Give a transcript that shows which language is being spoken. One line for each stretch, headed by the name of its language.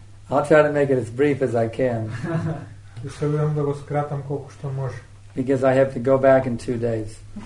English: I'll try to make it as brief as I can.
Macedonian: Ќе се видам да го скратам колку што може.
English: Because I have to go back in 2 days.